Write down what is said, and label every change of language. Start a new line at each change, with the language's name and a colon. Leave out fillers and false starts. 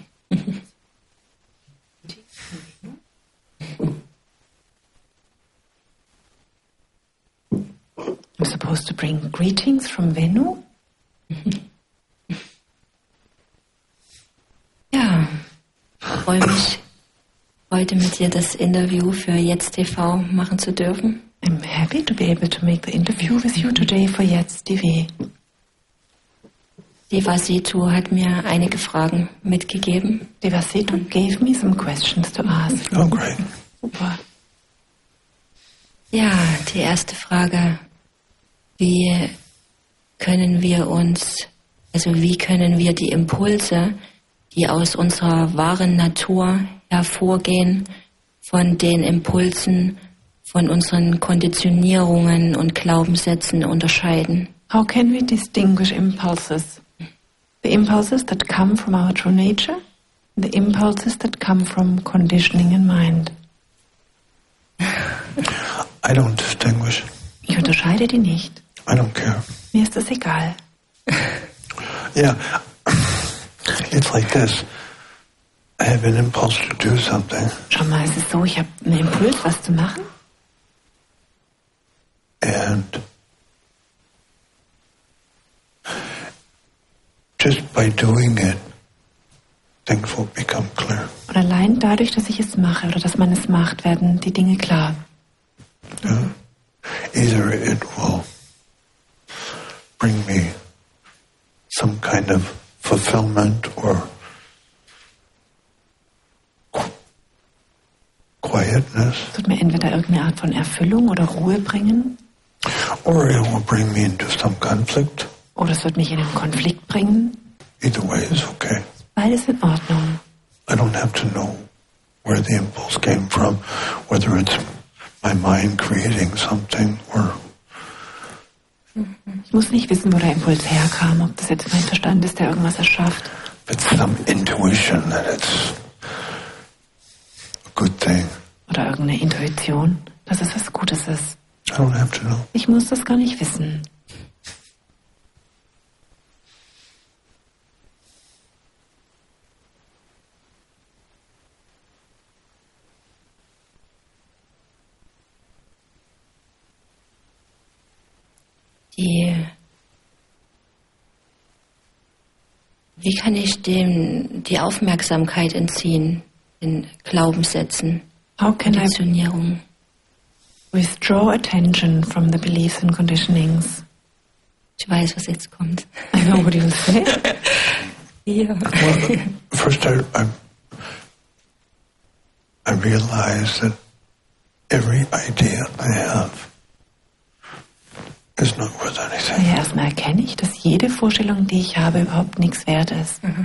English: I'm supposed to bring greetings from Venus?
German: Ja, freue mich, heute mit dir das Interview für Jetzt TV machen zu dürfen.
English: I'm happy to be able to make the interview with you today for Jetzt TV.
German: Devasetu hat mir einige Fragen mitgegeben.
English: Devasetu gave me some questions to ask. Oh, great.
German: Super. Ja, die erste Frage, wie können wir die Impulse, die aus unserer wahren Natur hervorgehen, von den Impulsen, von unseren Konditionierungen und Glaubenssätzen unterscheiden?
English: How can we distinguish impulses? The impulses that come from our true nature, the impulses that come from conditioning and mind. I don't distinguish.
German: Ich unterscheide die nicht.
English: I don't care.
German: Mir ist das egal.
English: Yeah, it's like this. I have an impulse to do something.
German: Schau mal, es ist so, ich habe einen Impuls, was zu machen.
English: And just by doing it, things will become clear.
German: Und allein dadurch, dass ich es mache oder dass man es macht, werden die Dinge klar.
English: Yeah. Either it will bring me some kind of fulfillment or quietness.
German: Tut mir entweder irgendeine Art von Erfüllung oder Ruhe bringen.
English: Or it will bring me into some conflict.
German: Oder es wird mich in einen Konflikt bringen.
English: Either way is okay.
German: Beides in Ordnung.
English: I don't have to know where the impulse came from, whether it's my mind creating something or.
German: Ich muss nicht wissen, wo der Impuls herkam, ob das jetzt mein Verstand ist, der irgendwas erschafft.
English: But some intuition that it's a good thing.
German: Oder irgendeine Intuition, dass es was Gutes ist.
English: I don't have to know.
German: Ich muss das gar nicht wissen. Wie kann ich dem die Aufmerksamkeit entziehen, den Glaubenssätzen, Konditionierung?
English: Withdraw attention from the beliefs and conditionings.
German: Ich weiß, was jetzt kommt.
English: I know what you'll say. Yeah. Well, first I realize that every idea I have is not worth anything.
German: Ja, erstmal erkenne ich, dass jede Vorstellung, die ich habe, überhaupt nichts wert ist.